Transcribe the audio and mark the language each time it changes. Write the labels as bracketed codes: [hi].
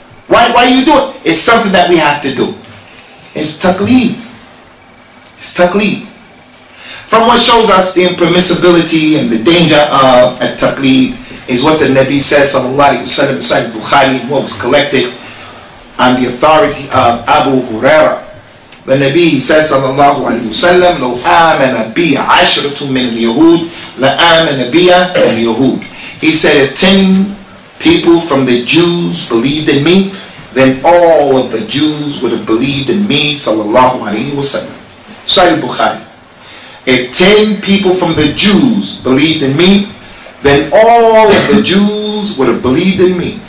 [en] Why are you doing it? It's something that we have to do. It's taqleed. From what shows us the impermissibility and the danger of a taqleed is what the Nabi says, sallallahu alayhi wa sallam, inside Bukhari, what was collected on the authority of Abu Huraira. [ar] The Nabi says, sallallahu alayhi wa sallam, لو آمن بي عشرة من اليهود لآمن بي اليهود. [en] He said, if 10 people from the Jews believed in me, then all of the Jews would have believed in me, sallallahu alayhi wa sallam. Sahih Bukhari. If 10 people from the Jews believed in me, then all of the Jews would have believed in me.